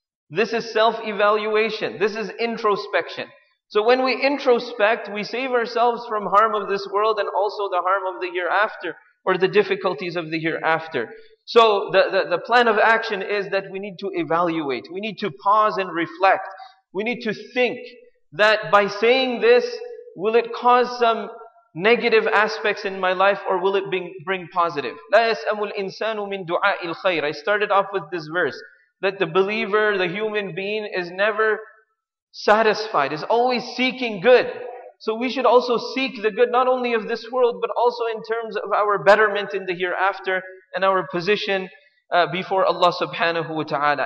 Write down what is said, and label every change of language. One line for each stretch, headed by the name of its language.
English: This is self-evaluation. This is introspection. So when we introspect, we save ourselves from harm of this world and also the harm of the hereafter or the difficulties of the hereafter. So the plan of action is that we need to evaluate. We need to pause and reflect. We need to think that by saying this, will it cause some negative aspects in my life or will it bring positive?
Arabic: لا يسأم الإنسان من دعاء الخير.
English: I started off with this verse that the believer, the human being is never satisfied, is always seeking good. So we should also seek the good, not only of this world, but also in terms of our betterment in the hereafter and our position before Allah subhanahu wa ta'ala.